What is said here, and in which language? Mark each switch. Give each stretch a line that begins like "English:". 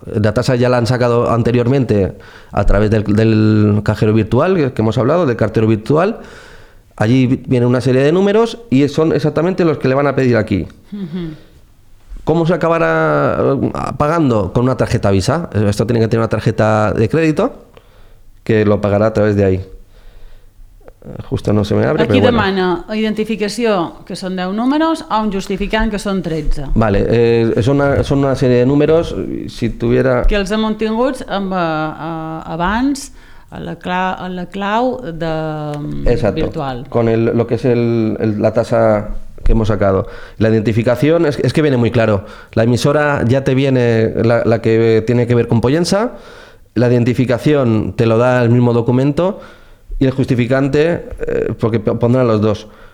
Spanish: La tasa ya la han sacado anteriormente a través del cajero virtual, que hemos hablado, del cartero virtual. Allí viene una serie de números y son exactamente los que le van a pedir aquí. ¿Cómo se acabará pagando? Con una tarjeta Visa. Esto tiene que tener una tarjeta de crédito que lo pagará a través de ahí. Justo no se me abre,
Catalan: aquí
Spanish: pero
Catalan: demana
Spanish: bueno.
Catalan: Identificació, que són 10 números, o un justificant, que són 13. Vale, són una sèrie de números,
Spanish: si tuviera...
Catalan: Que els hem obtinguts abans a la clau de
Spanish: exacto,
Catalan: virtual.
Spanish: Exacto, con la tasa que hemos sacado. La identificación es que viene muy claro. La emisora ya te viene, la que tiene que ver con Pollensa. La identificación te lo da el mismo documento. Y el justificante, porque pondrán los dos.